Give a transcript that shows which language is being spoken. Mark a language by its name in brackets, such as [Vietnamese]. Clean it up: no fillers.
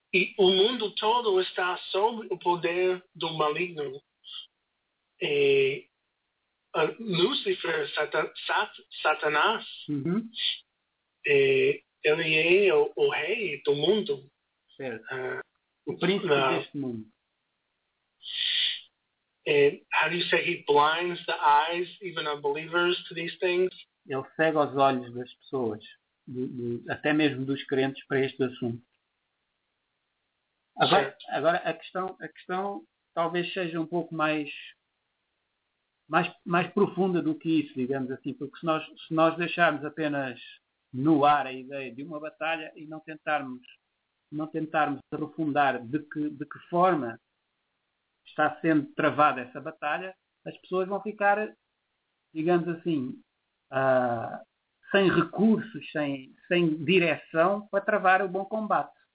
[Portuguese] E o mundo todo está sob o poder do maligno. E Lúcifer, Satanás, ele é o rei do mundo. Certo. O príncipe deste mundo. [English] How do you say he blinds the eyes, even of believers, to these things? [Portuguese] Ele cega os olhos das pessoas, até mesmo dos crentes, para este assunto. Agora, a questão talvez seja um pouco mais profunda do que isso, digamos assim, porque se nós deixarmos apenas no ar a ideia de uma batalha e não tentarmos aprofundar de que forma está sendo travada essa batalha, as pessoas vão ficar, digamos assim, sem recursos, sem direção para travar o bom combate.